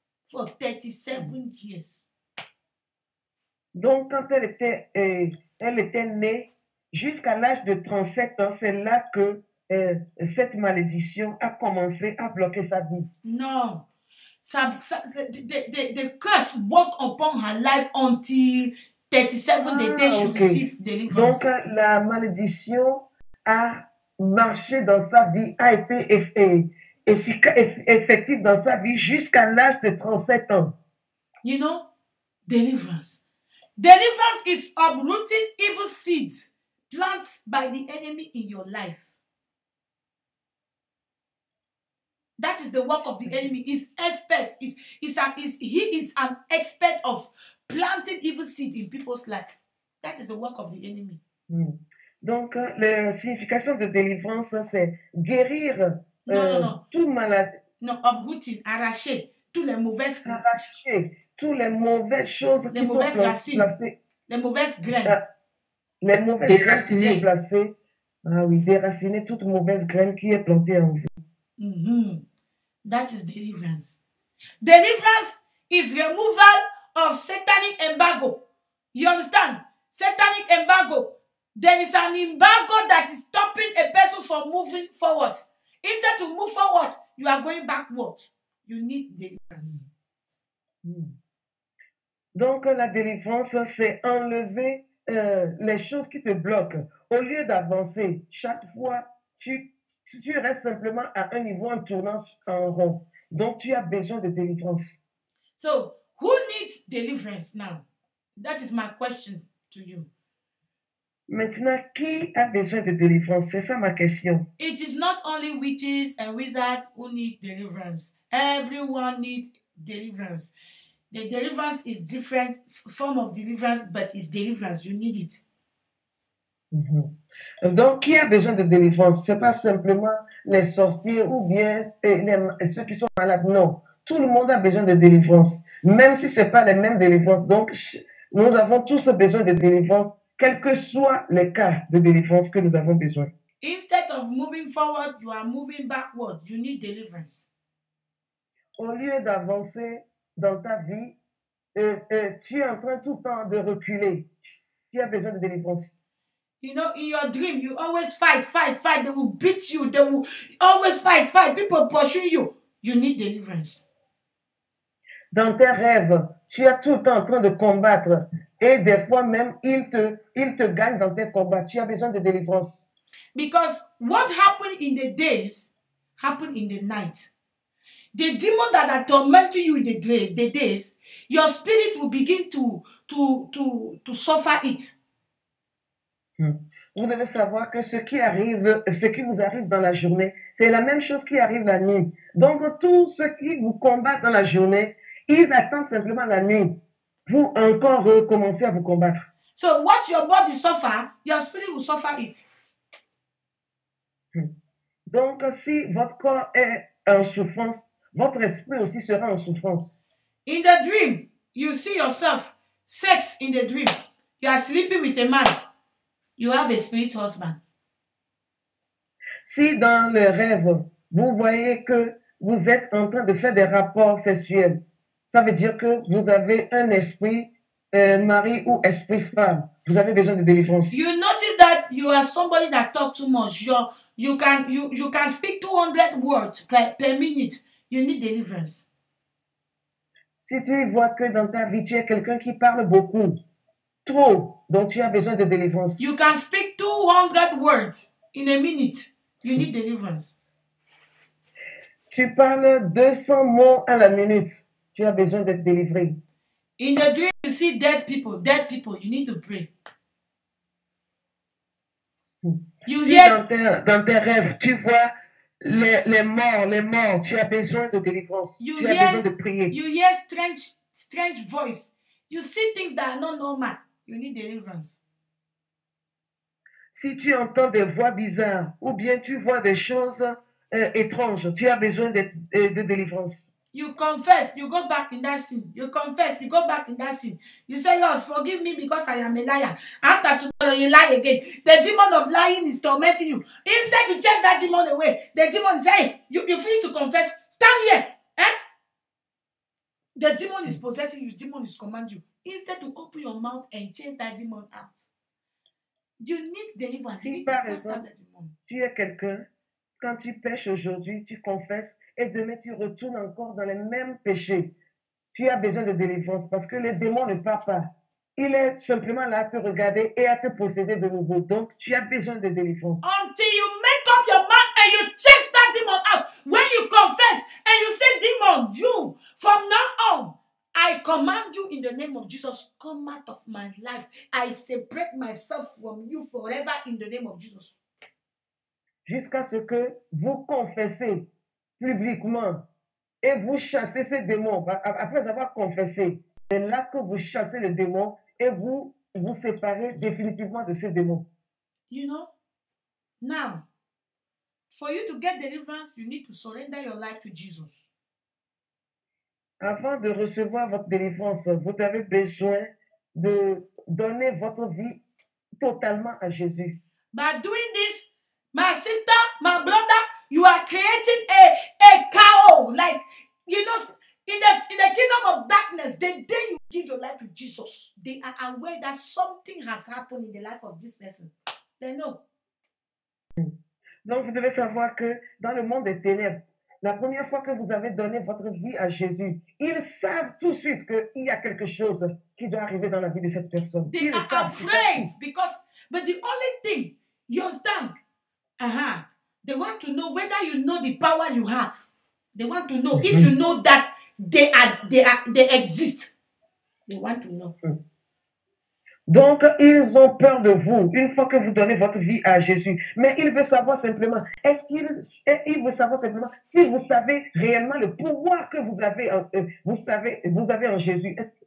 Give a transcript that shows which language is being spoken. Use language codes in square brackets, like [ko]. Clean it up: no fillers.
[en] For 37 years. [fr] Donc quand elle était née jusqu'à l'âge de 37 ans, c'est là que cette malédiction a commencé à bloquer sa vie. Non. [en] The curse broke upon her life until 37 the day she okay. received deliverance. [fr] Donc la malédiction a marché dans sa vie, a été effective dans sa vie jusqu'à l'âge de 37 ans. [en] You know, deliverance. Deliverance is uprooting evil seeds planted by the enemy in your life. That is the work of the enemy. He's expert. He is an expert of planting evil seed in people's life. That is the work of the enemy. Mm. [fr] Donc, la signification de délivrance, c'est guérir tout malade. Non, uprooting, arracher tous les mauvaises. Arracher tous les mauvaises choses les qui mauvaises sont racines, placées. Les mauvaises graines. Ça, les mauvaises graines qui sont placées. Ah oui, déraciner toute mauvaise graine qui est plantée en vous. [en] Mm-hmm. That is deliverance. Deliverance is removal of satanic embargo. You understand? Satanic embargo. There is an embargo that is stopping a person from moving forward. Instead to move forward, you are going backward. You need deliverance. Mm-hmm. [fr] Donc la délivrance, c'est enlever les choses qui te bloquent. Au lieu d'avancer, chaque fois tu restes simplement à un niveau en tournant en rond. Donc, tu as besoin de délivrance. [en] So, who needs deliverance now? That is my question to you. [fr] Maintenant, qui a besoin de délivrance? C'est ça ma question. [en] It is not only witches and wizards who need deliverance. Everyone needs deliverance. The deliverance is different form of deliverance, but it's deliverance. You need it. [fr] Mm-hmm. Donc, qui a besoin de délivrance? Ce n'est pas simplement les sorciers ou bien ceux qui sont malades. Non, tout le monde a besoin de délivrance, même si ce n'est pas les mêmes délivrances. Donc, nous avons tous besoin de délivrance, quel que soit le cas de délivrance que nous avons besoin. [en] Instead of moving forward, you are moving backward. You need deliverance. [fr] Au lieu d'avancer dans ta vie, tu es en train tout le temps de reculer. Qui a besoin de délivrance? [en] You know, in your dream, you always fight, fight, fight. They will beat you. They will always fight, fight. People pursue you. You need deliverance. [fr] Dans tes rêves, tu es tout le temps en train de combattre. Et des fois même, ils te gagnent dans tes combats. Tu as besoin de délivrance. [en] Because what happened in the days, happened in the night. The demon that are tormenting you in the days, your spirit will begin to suffer it. [fr] Vous devez savoir que ce qui vous arrive dans la journée, c'est la même chose qui arrive la nuit. Donc, tous ceux qui vous combattent dans la journée, ils attendent simplement la nuit pour encore recommencer à vous combattre. [en] So, what your body suffer, your spirit will suffer it. [fr] Donc, si votre corps est en souffrance, votre esprit aussi sera en souffrance. [en] In the dream, you see yourself, sex in the dream. You are sleeping with a man. You have a spirit husband. [fr] Si dans le rêve, vous voyez que vous êtes en train de faire des rapports sexuels, ça veut dire que vous avez un esprit mari ou esprit femme. Vous avez besoin de délivrance. [en] You notice that you are somebody that talks too much. You can speak 200 words per minute. You need deliverance. [fr] Si tu vois que dans ta vie, tu es quelqu'un qui parle beaucoup, trop, donc tu as besoin de délivrance. [en] You can speak 200 words in a minute. You need deliverance. [fr] Tu parles 200 mots à la minute. Tu as besoin d'être délivré. [en] In the dream, you see dead people. You need to pray. You si yes. [fr] Dans tes rêves, tu vois les morts. Tu as besoin de délivrance. Tu as besoin de prier. [en] You hear strange voice. You see things that are not normal. You need deliverance. [fr] Si tu entends des voix bizarres ou bien tu vois des choses étranges, tu as besoin de délivrance. [en] You confess, you go back in that sin. You confess, you go back in that sin. You say, Lord, forgive me because I am a liar. After tomorrow, you lie again. The demon of lying is tormenting you. Instead, you chase that demon away. The demon is, hey, you finish to confess. Stand here. Eh? The demon is possessing you. Demon is commanding you. Instead, to open your mouth and chase that demon out. You need deliverance. [fr] Si par exemple, tu es quelqu'un, quand tu pèches aujourd'hui, tu confesses, et demain, tu retournes encore dans les mêmes péchés. Tu as besoin de délivrance parce que le démon ne part pas. Il est simplement là à te regarder et à te posséder de nouveau. Donc, tu as besoin de délivrance. [en] Until you make up your mind and you chase that demon out. When you confess and you say, demon, you, from now on, I command you in the name of Jesus, come out of my life. I separate myself from you forever in the name of Jesus. [fr] Jusqu'à ce que vous confessez publiquement et vous chassez ces démons après avoir confessé. C'est là que vous chassez le démon et vous vous séparez définitivement de ces démons. [en] You know, now, for you to get deliverance, you need to surrender your life to Jesus. [fr] Avant de recevoir votre délivrance, vous avez besoin de donner votre vie totalement à Jésus. [en] By doing this, my sister, my brother, you are creating a chaos. Like, you know, in the kingdom of darkness, the day you give your life to Jesus, they are aware that something has happened in the life of this person. They know. [fr] Donc, vous devez savoir que dans le monde des ténèbres, la première fois que vous avez donné votre vie à Jésus, ils savent tout de suite qu'il y a quelque chose qui doit arriver dans la vie de cette personne. [en] They [fr] ils [en] are afraid because, but the only thing, you understand, they want to know whether you know the power you have. They want to know if you know that they exist. They want to know. [fr] Donc, ils ont peur de vous une fois que vous donnez votre vie à Jésus. Mais ils veulent savoir simplement, si vous savez réellement le pouvoir que vous avez en, vous avez en Jésus.